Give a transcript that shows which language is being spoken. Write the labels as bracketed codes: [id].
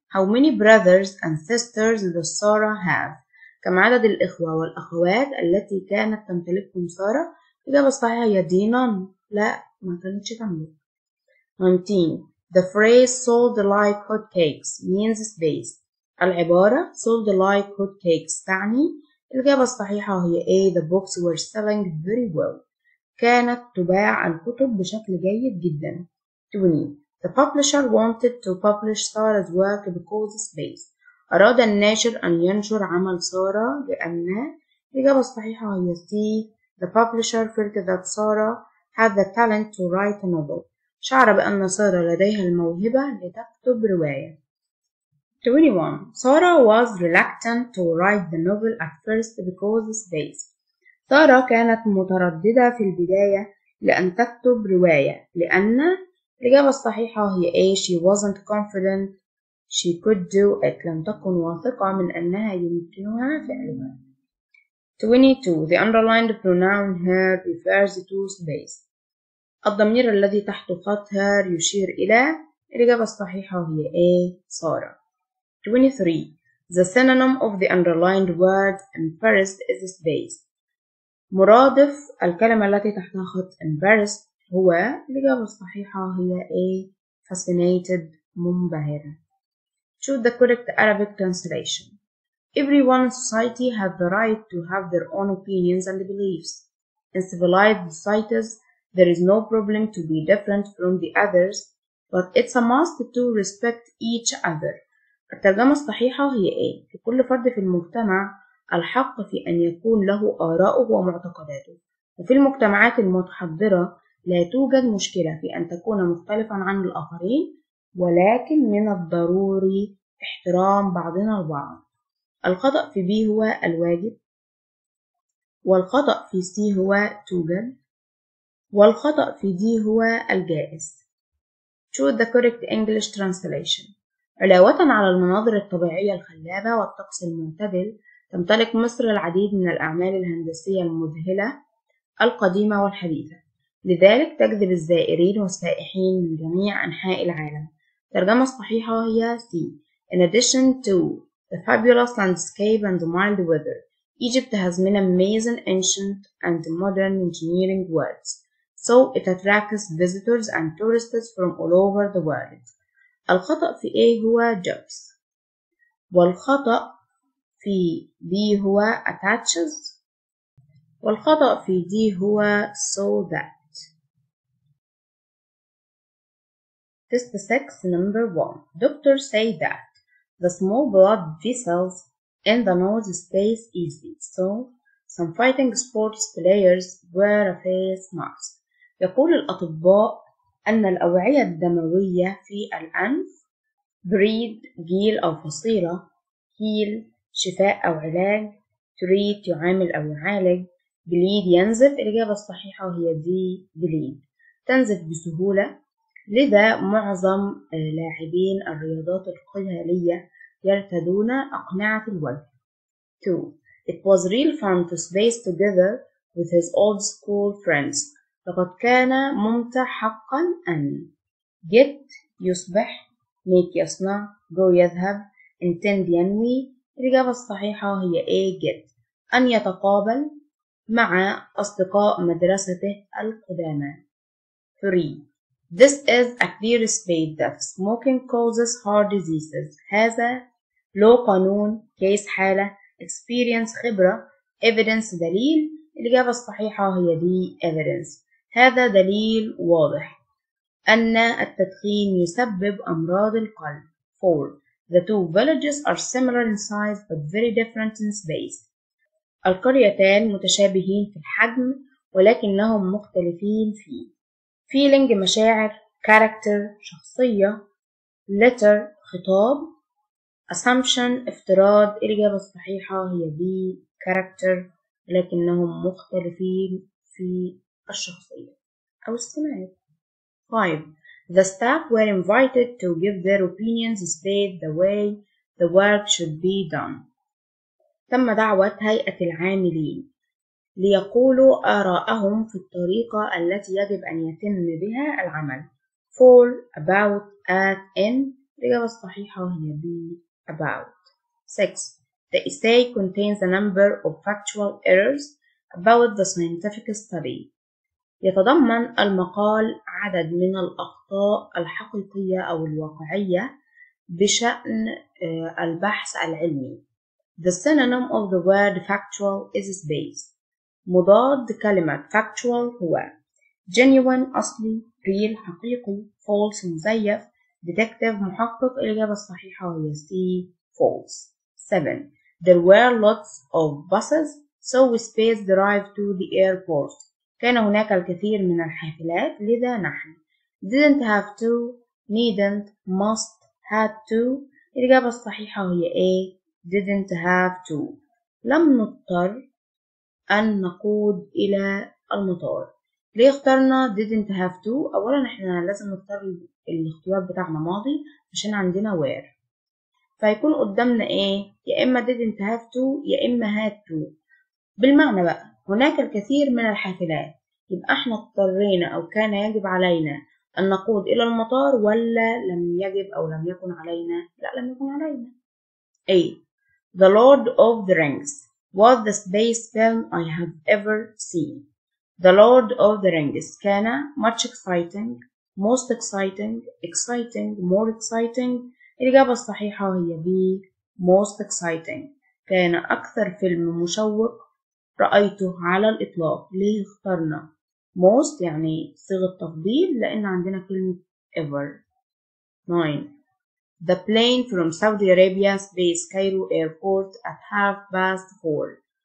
[en] How many brothers and sisters does Sarah have? [ar] كم عدد الإخوة والأخوات التي كانت تمتلكهم سارة؟ الإجابة الصحيحة هي D. [en] None. [ar] لا، ما كانتش تملك. 19. [en] The phrase sold like hot cakes means space. [ar] العبارة [en] sold like hot cakes [ar] تعني. الإجابة الصحيحة هي A. [en] The books were selling very well. [ar] كانت تباع الكتب بشكل جيد جدا. [en] 20. The publisher wanted to publish Sarah's work because space. [ar] أراد الناشر أن ينشر عمل سارة لأن. الإجابة الصحيحة هي C. [en] The publisher felt that Sarah had the talent to write a novel. [ar] شعر بأن سارة لديها الموهبة لتكتب رواية. [en] 21. Sarah was reluctant to write the novel at first because space. [ar] سارة كانت مترددة في البداية لأن تكتب رواية لأن. الإجابة الصحيحة هي A. [en] She wasn't confident she could do it. [ar] لم تكن واثقة من أنها يمكنها فعلها. [en] 22. The underlined pronoun her refers to space. [ar] الضمير الذي تحت خط her يشير إلى. الإجابة الصحيحة هي A. سارة. 23. [en] The synonym of the underlined word embarrassed is space. [ar] مرادف الكلمة التي تحتها خط embarrassed هو. الإجابة الصحيحة هي A. [en] Fascinated. [ar] منبهرة. [en] Choose the correct Arabic translation. Everyone in society has the right to have their own opinions and beliefs. In civilized societies, there is no problem to be different from the others, but it's a must to respect each other. [ar] الترجمة الصحيحة هي A. في كل فرد في المجتمع الحق في أن يكون له آراءه ومعتقداته، وفي المجتمعات المتحضرة لا توجد مشكلة في أن تكون مختلفا عن الآخرين، ولكن من الضروري احترام بعضنا البعض. الخطأ في B هو الواجب، والخطأ في C هو توجد، والخطأ في D هو الجائز. [en] Choose the correct English translation. [ar] علاوة على المناظر الطبيعية الخلابة والطقس المعتدل، تمتلك مصر العديد من الأعمال الهندسية المذهلة القديمة والحديثة، لذلك تجذب الزائرين والسائحين من جميع أنحاء العالم. ترجمة صحيحة هي C. [en] In addition to the fabulous landscape and the mild weather, Egypt has many amazing ancient and modern engineering works, so it attracts visitors and tourists from all over the world. [ar] الخطأ في A هو jobs، والخطأ في B هو attaches، والخطأ في D هو so that. [en] Test 6 number 1. Doctors say that the small blood vessels in the nose stays easy, so some fighting sports players wear a face mask. [ar] يقول الأطباء أن الأوعية الدموية في الأنف breed جيل أو فصيلة heal شفاء أو علاج treat يعامل أو يعالج bleed ينزف. الإجابة الصحيحة هي D. bleed تنزف بسهولة. لذا معظم لاعبين الرياضات القتالية يرتدون أقنعة الوجه. [en] 2. It was real fun to space together with his old school friends. [ar] لقد كان ممتع حقا أن. get يصبح make يصنع go يذهب intend ينوي. الإجابة الصحيحة هي A. get أن يتقابل مع أصدقاء مدرسته القدامى. 3. [en] This is a clear state that smoking causes heart diseases. [ar] هذا لو قانون كيس حالة experience خبرة evidence دليل. الإجابة الصحيحة هي دي evidence. هذا دليل واضح أن التدخين يسبب أمراض القلب. [en] 4. The two villages are similar in size but very different in space. [ar] القريتان متشابهين في الحجم ولكنهم مختلفين في feeling مشاعر character شخصية letter خطاب assumption افتراض. الإجابة الصحيحة هي B character لكنهم مختلفين في الشخصية أو السمات. [en] 5. The staff were invited to give their opinions about the way the work should be done. [ar] تم دعوة هيئة العاملين ليقولوا آراءهم في الطريقة التي يجب أن يتم بها العمل. 4. [en] About at in. [ar] الإجابة الصحيحة هي B. About. 6. [en] The essay contains a number of factual errors about the scientific study. [ar] يتضمن المقال عدد من الأخطاء الحقيقية أو الواقعية بشأن البحث العلمي. [en] The synonym of the word factual is space. [ar] مضاد كلمة factual هو genuine أصلي real حقيقي false مزيف detective محقق. الإجابة الصحيحة هي C false. [en] 7. There were lots of buses so space drive to the airport. [ar] كان هناك الكثير من الحافلات لذا نحن [en] didn't have to needn't must had to. [ar] الإجابة الصحيحة هي A [en] didn't have to. [ar] لم نضطر أن نقود إلى المطار. ليه اخترنا [en] didn't have to؟ [ar] أولا إحنا لازم نختار الاختيار بتاعنا ماضي عشان عندنا where، فيكون قدامنا إيه؟ يا إما didn't have to يا إما had to. بالمعنى بقى هناك الكثير من الحافلات، يبقى إحنا اضطرينا أو كان يجب علينا أن نقود إلى المطار ولا لم يجب أو لم يكن علينا؟ لا لم يكن علينا. إيه؟ [en] The Lord of the Rings was the space film I have ever seen. The Lord of the Rings [ar] كان [en] much exciting, most exciting, exciting, more exciting. [ar] الإجابة الصحيحة هي B most exciting. كان أكثر فيلم مشوق رأيته على الإطلاق. ليه اخترنا most يعني صيغة تفضيل؟ لأن عندنا كلمة ever. [en] 9. The plane from Saudi Arabia Space Cairo Airport at 4:30.